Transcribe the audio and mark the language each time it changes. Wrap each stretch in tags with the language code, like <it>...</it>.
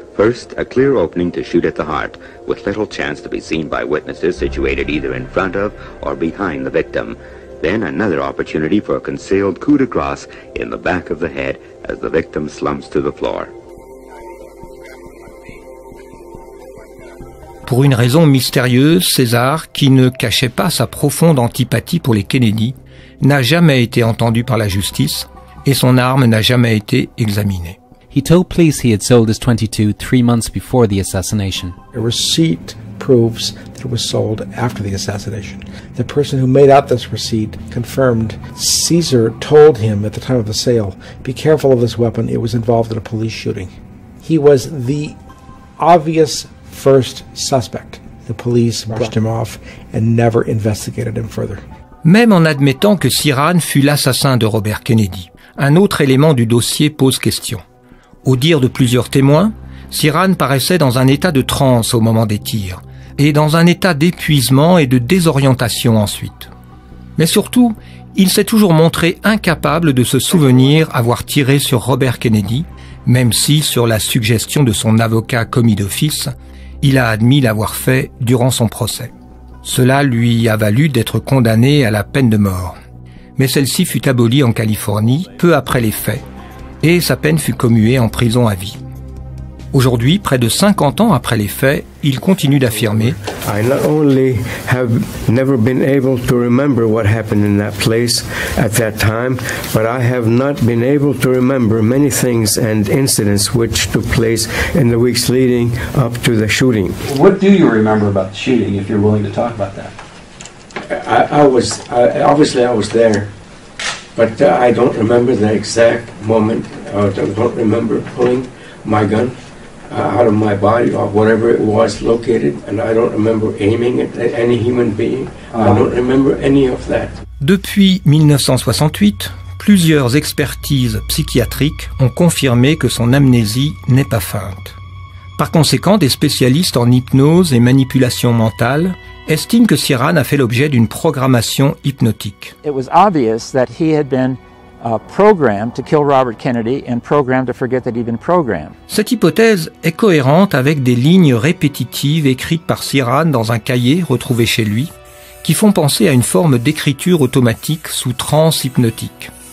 <en>First, a clear opening to shoot at the heart, with little chance to be seen by witnesses situated either in front of or behind the victim. Then another opportunity for a concealed coup de grace in the back of the head as the victim slumps to the floor.</en> <fr>Pour une raison mystérieuse, César, qui ne cachait pas sa profonde antipathie pour les Kennedy, n'a jamais été entendu par la justice et son arme n'a jamais été examinée.</fr> <en>He told police he had sold his .22 3 months before the assassination. A receipt proves that it was sold after the assassination. The person who made out this receipt confirmed Caesar told him at the time of the sale, be careful of this weapon, it was involved in a police shooting. He was the obvious first suspect. The police brushed him off and never investigated him further.</en> <fr>Même en admettant que Sirhan fut l'assassin de Robert Kennedy, un autre élément du dossier pose question. Au dire de plusieurs témoins, Sirhan paraissait dans un état de transe au moment des tirs, et dans un état d'épuisement et de désorientation ensuite. Mais surtout, il s'est toujours montré incapable de se souvenir avoir tiré sur Robert Kennedy, même si, sur la suggestion de son avocat commis d'office, il a admis l'avoir fait durant son procès. Cela lui a valu d'être condamné à la peine de mort. Mais celle-ci fut abolie en Californie peu après les faits, et sa peine fut commuée en prison à vie. Aujourd'hui, près de 50 ans après les faits, il continue d'affirmer:</fr> <en>I not only have never been able to remember what happened in that place at that time, but I have not been able to remember many things and incidents which took place in the weeks leading up to the shooting. What do you remember about the shooting, if you're willing to talk about that? I was there. But I don't remember the exact moment. I don't remember pulling my gun out of my body or whatever it was located. And I don't remember aiming at any human being. I don't remember any of that.</en> <fr>Depuis 1968, plusieurs expertises psychiatriques ont confirmé que son amnésie n'est pas feinte. Par conséquent, des spécialistes en hypnose et manipulation mentale estime que Sirhan a fait l'objet d'une programmation hypnotique.</fr> <en>It was obvious that he had been programmed to kill Robert Kennedy and programmed to forget that he'd been programmed.</en> <fr>Cette hypothèse est cohérente avec des lignes répétitives écrites par Sirhan dans un cahier retrouvé chez lui, qui font penser à une forme d'écriture automatique sous transe hypnotique.</fr>